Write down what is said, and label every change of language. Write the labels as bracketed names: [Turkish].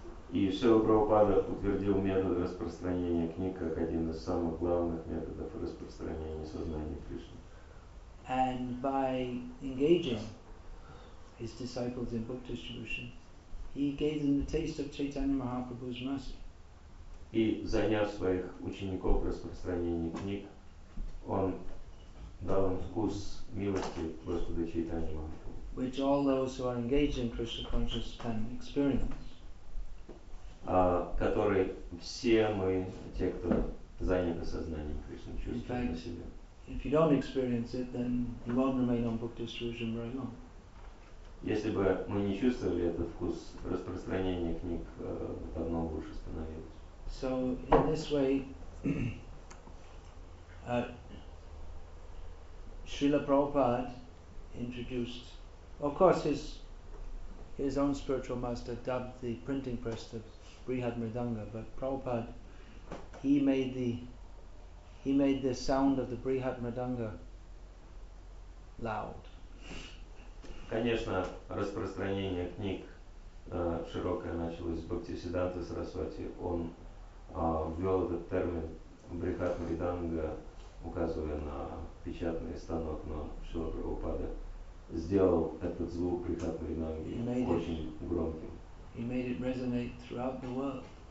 [Russian] И Srila Prabhupada утвердил метод распространения книг как один из самых главных методов распространения сознания Кришны. [English] And by engaging his disciples in book distribution, he gave them the taste of Chaitanya Mahaprabhu's mercy. [Russian] И заняв своих учеников в распространении книг, он дал им вкус милости Господа Чайтанья Махапрабху. [English] Which all those who are engaged in Krishna consciousness can experience. [Russian] Который все мы, те, кто заняты сознанием Кришны, чувствуем на себе. [English] If you don't experience it, then you won't remain on book distribution very long. [Russian] Если бы мы не чувствовали этот вкус распространения книг, давно бы уже остановилось. [English] So in this way, Srila Prabhupada introduced, of course, his own spiritual master dubbed the printing press the Brihad Mridanga, but Prabhupada, he made the sound of the Brihad Mridanga loud. [Russian] Конечно, распространение книг широкое началось с Бхактисиддханты Сарасвати. Он ввел этот термин Брихат Мриданга, указывая на печатный станок, но Шрила Прабхупада сделал этот звук Брихат Мриданги очень громким. [English] He made it resonate throughout the world.